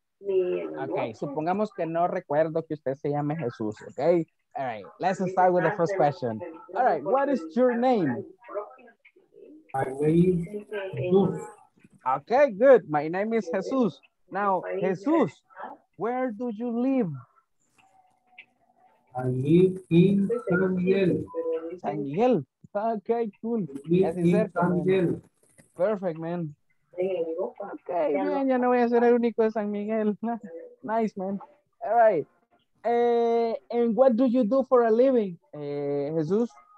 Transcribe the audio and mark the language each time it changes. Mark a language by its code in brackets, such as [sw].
[es] Okay, supongamos que no recuerdo que usted se llame Jesús, okay? [en] All right, let's start with the first question. All right, what is your name? My name is Jesus. Okay, good. My name is Jesus. Now, Jesus, where do you live? I live in San Miguel. San Miguel. Okay, cool. Yes, in San Miguel. Perfect, man. [es] Okay, man, ya no voy a ser el único de San Miguel. [en] Nice, man. All right. And what do you do for a living, Jesus?